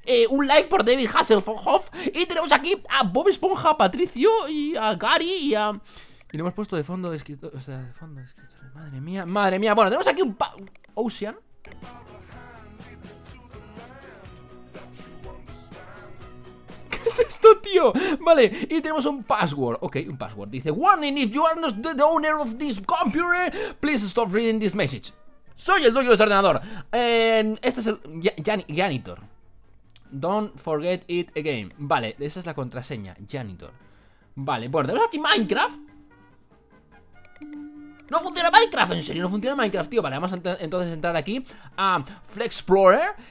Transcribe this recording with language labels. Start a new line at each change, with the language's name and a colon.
Spanish: Un like por David Hasselhoff. Y tenemos aquí a Bob Esponja, a Patricio y a Gary y a... Y lo hemos puesto de fondo de escritorio. O sea, de fondo de escritorio. Madre mía, madre mía. Bueno, tenemos aquí un... Ocean. Esto, tío, vale, y tenemos un password. Ok, un password, dice:
English: Warning, if you are not the owner of this computer, please stop reading this message.
Spanish: Soy el dueño de ese ordenador. Este es el janitor.
English: Don't forget it again.
Spanish: Vale, esa es la contraseña, janitor. Vale, bueno, tenemos aquí Minecraft. No funciona Minecraft, en serio, no funciona Minecraft, tío. Vale, vamos a entonces entrar aquí a Flexplorer.